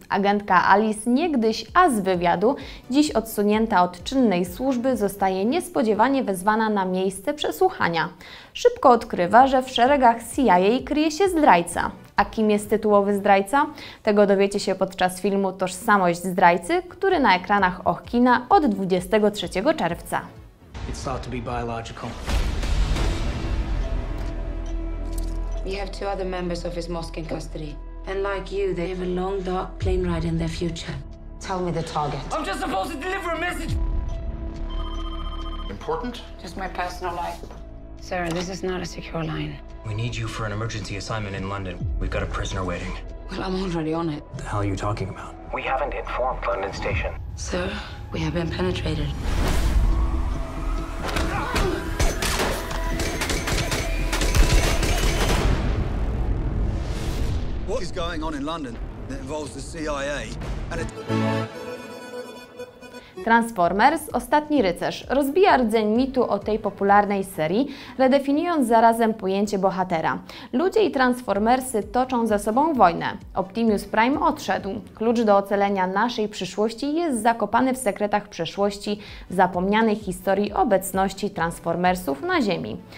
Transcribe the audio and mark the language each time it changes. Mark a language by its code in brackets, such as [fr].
[pl] Agentka Alice, niegdyś as wywiadu, dziś odsunięta od czynnej służby, zostaje niespodziewanie wezwana na miejsce przesłuchania. Szybko odkrywa, że w szeregach CIA kryje się zdrajca. A kim jest tytułowy zdrajca? Tego dowiecie się podczas filmu Tożsamość zdrajcy, który na ekranach Och Kina od 23 czerwca. [en] It's thought to be biological. We have two other members of his mosque in custody. And like you, they have a long, dark plane ride in their future. Tell me the target. I'm just supposed to deliver a message. Important? Just my personal life. Sir, this is not a secure line. We need you for an emergency assignment in London. We've got a prisoner waiting. Well, I'm already on it. The hell are you talking about? We haven't informed London Station. Sir, we have been penetrated. What is going on in London that involves the CIA and it... [pl] Transformers, Ostatni Rycerz, rozbija rdzeń mitu o tej popularnej serii, redefiniując zarazem pojęcie bohatera. Ludzie i Transformersy toczą ze sobą wojnę. Optimus Prime odszedł. Klucz do ocalenia naszej przyszłości jest zakopany w sekretach przeszłości, zapomnianej historii obecności Transformersów na Ziemi.